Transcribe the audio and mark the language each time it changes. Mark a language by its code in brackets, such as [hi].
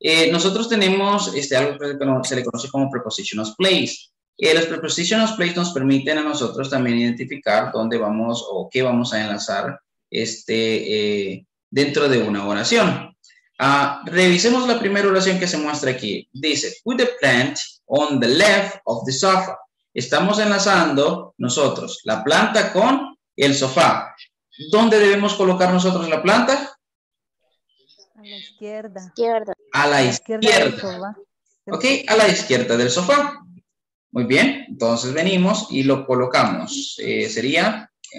[es] Nosotros tenemos algo que se le conoce como prepositional place. Los prepositional place nos permiten a nosotros también identificar dónde vamos o qué vamos a enlazar dentro de una oración. Revisemos la primera oración que se muestra aquí. Dice, [en] put the plant on the left of the sofa. [es] Estamos enlazando nosotros la planta con el sofá. ¿Dónde debemos colocar nosotros la planta? A la izquierda. Izquierda. A la izquierda. Izquierda del sofá. Ok, a la izquierda del sofá. Muy bien, entonces venimos y lo colocamos. Sería...